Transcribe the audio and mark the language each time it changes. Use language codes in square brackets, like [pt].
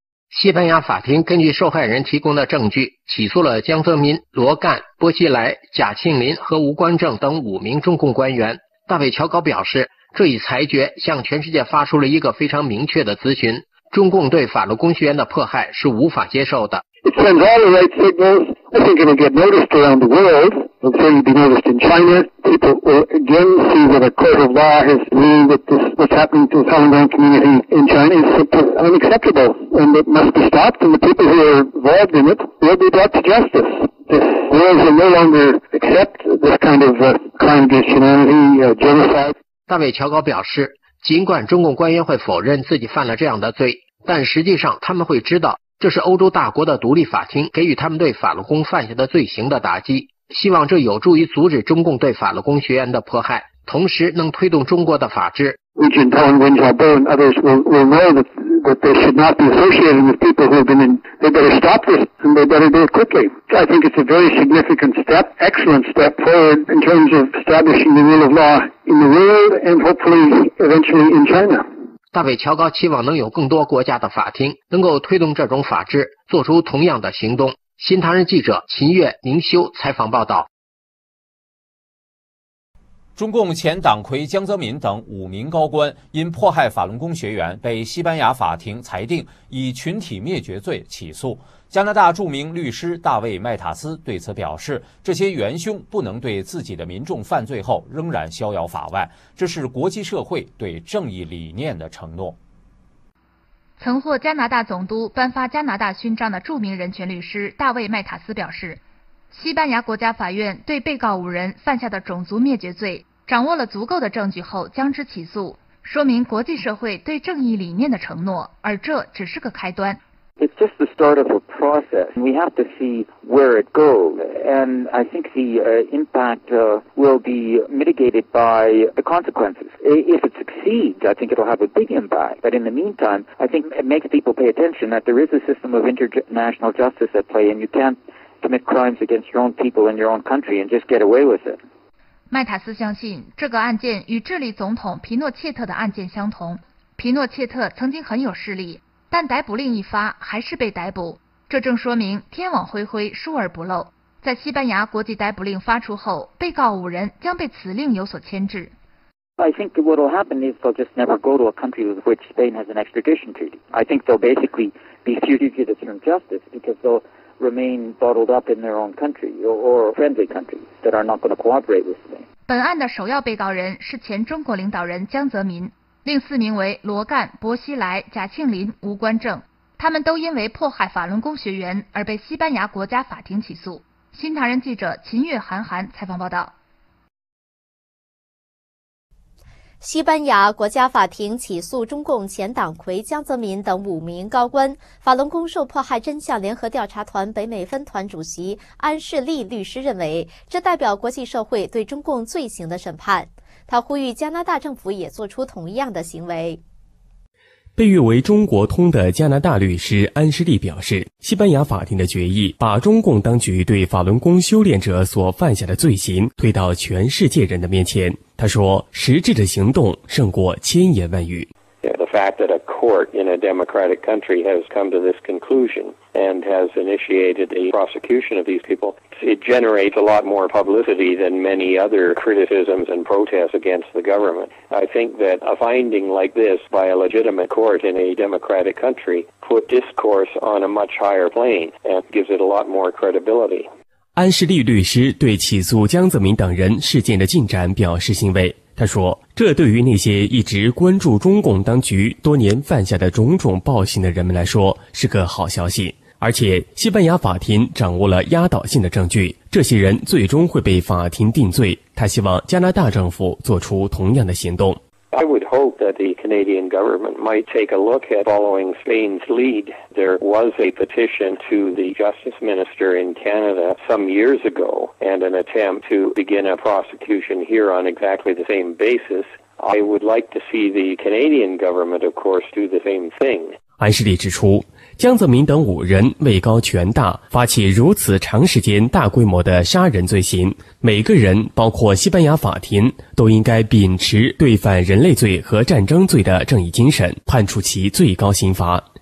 [zh] 西班牙法庭根据受害人提供的证据，起诉了江泽民、罗干、波西莱、贾庆林和吴官正等五名中共官员。大卫乔高表示，这一裁决向全世界发出了一个非常明确的咨询，中共对法轮功学员的迫害是无法接受的。 [en] It sends all the right signals. I think it'll get noticed around the world. I'm sure you'll be noticed in China. People will again see that a court of law has ruled that this, what's happening to the Falun Gong community in China is simply unacceptable and it must be stopped, and the people who are involved in it will be brought to justice. This world will no longer accept this kind of crime against humanity, genocide. [zh] 大卫乔高表示，尽管中共官员会否认自己犯了这样的罪，但实际上他们会知道这是欧洲大国的独立法庭给予他们对法轮功犯下的罪行的打击，希望这有助于阻止中共对法轮功学员的迫害，同时能推动中国的法治。 [en] Richard Tong, Wen Xiaobo and others will know that they should not be associating with people who have been in. They better stop this and they better do it quickly. I think it's a very significant step, excellent step forward in terms of establishing the rule of law in the world and hopefully eventually in China. [zh] 大卫乔高期望能有更多国家的法庭能够推动这种法治做出同样的行动。新唐人记者秦月、宁修采访报道。中共前党魁江泽民等五名高官因迫害法轮功学员被西班牙法庭裁定以群体灭绝罪起诉。加拿大著名律师大卫麦塔斯对此表示，这些元凶不能对自己的民众犯罪后仍然逍遥法外，这是国际社会对正义理念的承诺。曾获加拿大总督颁发加拿大勋章的著名人权律师大卫麦塔斯表示，西班牙国家法院对被告五人犯下的种族灭绝罪掌握了足够的证据后将之起诉，说明国际社会对正义理念的承诺，而这只是个开端。 [en] It's just the start of a process. We have to see where it goes. And I think the impact will be mitigated by the consequences. If it succeeds, I think it'll have a big impact. But in the meantime, I think it makes people pay attention that there is a system of international justice at play, and you can't commit crimes against your own people in your own country and just get away with it. [zh] 麦塔斯相信这个案件与智利总统皮诺切特的案件相同。皮诺切特曾经很有势力，但逮捕令一发还是被逮捕，这正说明天网恢恢疏而不漏。在西班牙国际逮捕令发出后，被告五人将被此令有所牵制。 [en] I think what will happen is they'll just never go to a country with which Spain has an extradition treaty. I think they'll basically be fugitives from justice because they'll remain bottled up in their own country or friendly countries that are not going to cooperate with Spain. [zh] 本案的首要被告人是前中国领导人江泽民。另四名为罗干、薄熙来、贾庆林、吴官正，他们都因为迫害法轮功学员而被西班牙国家法庭起诉。新唐人记者秦月、韩寒采访报道。西班牙国家法庭起诉中共前党魁江泽民等五名高官，法轮功受迫害真相联合调查团北美分团主席安世利律师认为，这代表国际社会对中共罪行的审判。他呼吁加拿大政府也做出同样的行为。被誉为中国通的加拿大律师安世利表示，西班牙法庭的决议把中共当局对法轮功修炼者所犯下的罪行推到全世界人的面前。他说，实质的行动胜过千言万语。 [en] Yeah, the fact that a court in a democratic country has come to this conclusion and has initiated a prosecution of these people, it generates a lot more publicity than many other criticisms and protests against the government. I think that a finding like this by a legitimate court in a democratic country put discourse on a much higher plane and gives it a lot more credibility. [zh] 安世立律师对起诉江泽民等人事件的进展表示欣慰。他说，这对于那些一直关注中共当局多年犯下的种种暴行的人们来说是个好消息，而且西班牙法庭掌握了压倒性的证据，这些人最终会被法庭定罪。他希望加拿大政府做出同样的行动。 [en] I would hope that the Canadian government might take a look at following Spain's lead. There was a petition to the Justice Minister in Canada some years ago and an attempt to begin a prosecution here on exactly the same basis. I would like to see the Canadian government, of course, do the same thing. [zh] 安世立指出，江泽民等五人位高权大，发起如此长时间大规模的杀人罪行，每个人包括西班牙法庭都应该秉持对反人类罪和战争罪的正义精神，判处其最高刑罚。